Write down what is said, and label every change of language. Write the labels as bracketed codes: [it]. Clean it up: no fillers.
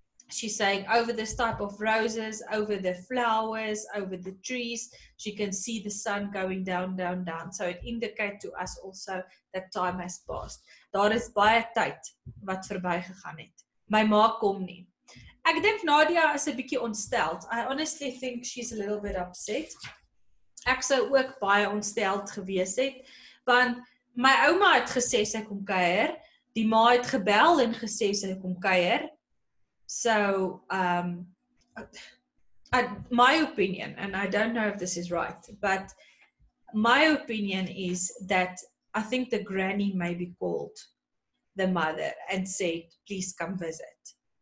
[en] She's saying over this type of roses, over the flowers, over the trees, she can see the sun going down, down, down. So it indicates to us also that time has passed. [af] Daar is baie tyd wat verby gegaan het. My ma kom nie. Ek dink Nadia is 'n bietjie ontsteld. [en] I honestly think she's a little bit upset. [af] Ek sou ook baie ontsteld gewees het, want my ouma het gesê sy kom kuier. Die ma het gebel en gesê sy kom kuier. [en] So, my opinion, and I don't know if this is right, but my opinion is that I think the granny maybe called the mother and said, please come visit.